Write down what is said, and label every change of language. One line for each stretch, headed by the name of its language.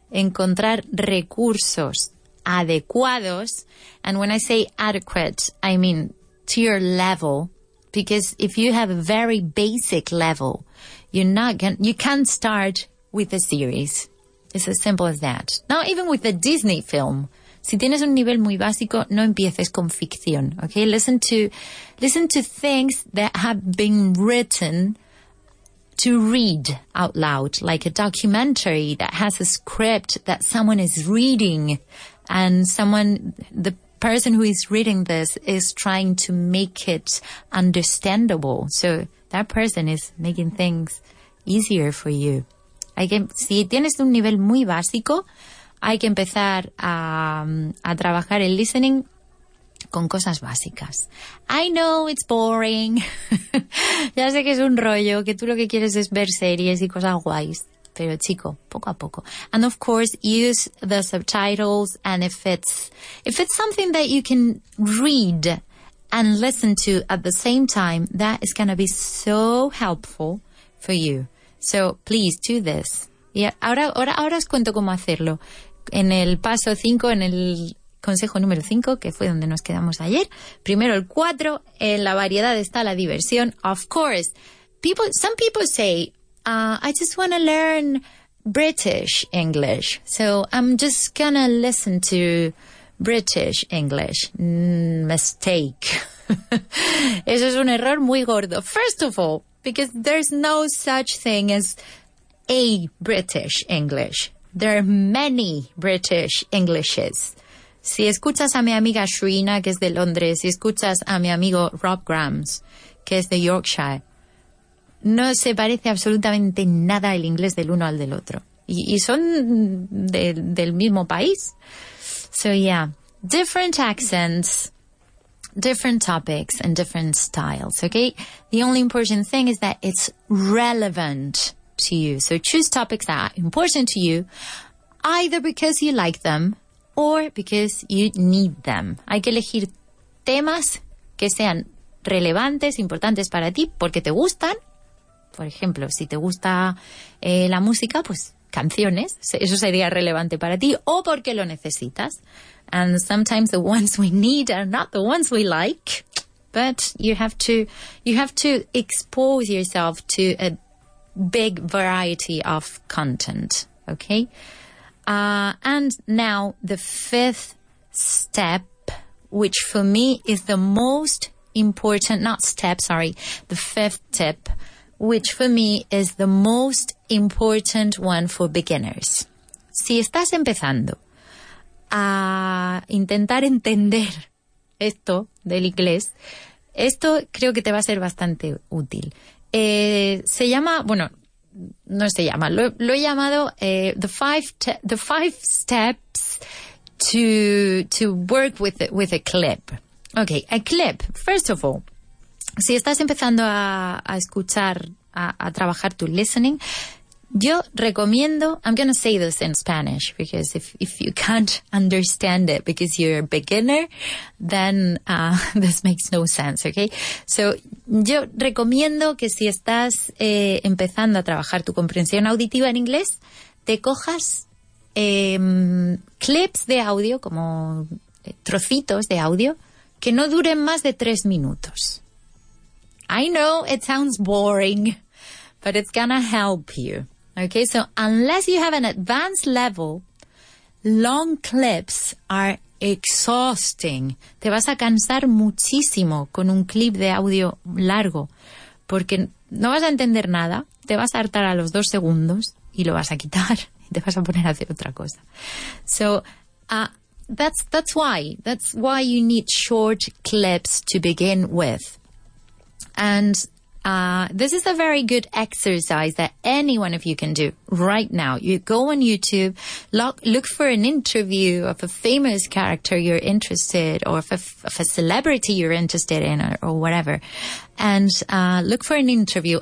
Spanish: Encontrar recursos adecuados.
English: And when I say adequate, I mean to your level. Because if you have a very basic level, you can't start with a series. It's as simple as that. Not even with a Disney film.
Spanish: Si tienes un nivel muy básico, no empieces con ficción, okay?
English: Listen to things that have been written to read out loud, like a documentary that has a script that someone is reading, and the person who is reading this is trying to make it understandable. So that person is making things easier for you.
Spanish: Si tienes un nivel muy básico, hay que empezar a trabajar el listening con cosas básicas.
English: I know it's boring.
Spanish: Ya sé que es un rollo, que tú lo que quieres es ver series y cosas guays. Pero chico, poco a poco.
English: And of course, use the subtitles. And if it's something that you can read and listen to at the same time, that is going to be so helpful for you. So please do this.
Spanish: Y ahora os cuento cómo hacerlo. En el paso 5, en el consejo número 5, que fue donde nos quedamos ayer. Primero el 4, en la variedad está la diversión.
English: Of course, some people say, I just want to learn British English. So I'm just going to listen to British English.
Spanish: Mistake. Eso es un error muy gordo.
English: First of all, because there's no such thing as a British English. There are many British Englishes.
Spanish: Si escuchas a mi amiga Shreena, que es de Londres, si escuchas a mi amigo Rob Grams, que es de Yorkshire, no se parece absolutamente nada el inglés del uno al del otro. Y son del mismo país.
English: So yeah, different accents, different topics and different styles, okay? The only important thing is that it's relevant to you. So choose topics that are important to you, either because you like them or because you need them.
Spanish: Hay que elegir temas que sean relevantes, importantes para ti, porque te gustan. Por ejemplo, si te gusta la música, pues canciones. Eso sería relevante para ti. O porque lo necesitas.
English: And sometimes the ones we need are not the ones we like. But you have to expose yourself to a big variety of content, okay? And now the fifth step, which for me is the most important, not step, sorry, the fifth tip, which for me is the most important one for beginners.
Spanish: Si estás empezando a intentar entender esto del inglés, esto creo que te va a ser bastante útil. Se llama, bueno, no se llama, lo he llamado
English: the five steps to work with a clip.
Spanish: Okay, a clip.
English: First of all,
Spanish: si estás empezando a escuchar, a trabajar tu listening, yo recomiendo,
English: I'm going to say this in Spanish, because if you can't understand it because you're a beginner, then this makes no sense, okay?
Spanish: So, yo recomiendo que si estás empezando a trabajar tu comprensión auditiva en inglés, te cojas clips de audio, como trocitos de audio, que no duren más de 3 minutos.
English: I know it sounds boring, but it's going to help you. Okay, so unless you have an advanced level, long clips are exhausting.
Spanish: Te vas a cansar muchísimo con un clip de audio largo, porque no vas a entender nada, te vas a hartar a los 2 segundos y lo vas a quitar y te vas a poner a hacer otra cosa.
English: So that's why you need short clips to begin with. And this is a very good exercise that any one of you can do right now. You go on YouTube, look for an interview of a famous character you're interested in, or of a celebrity you're interested in, or whatever, and look for an interview.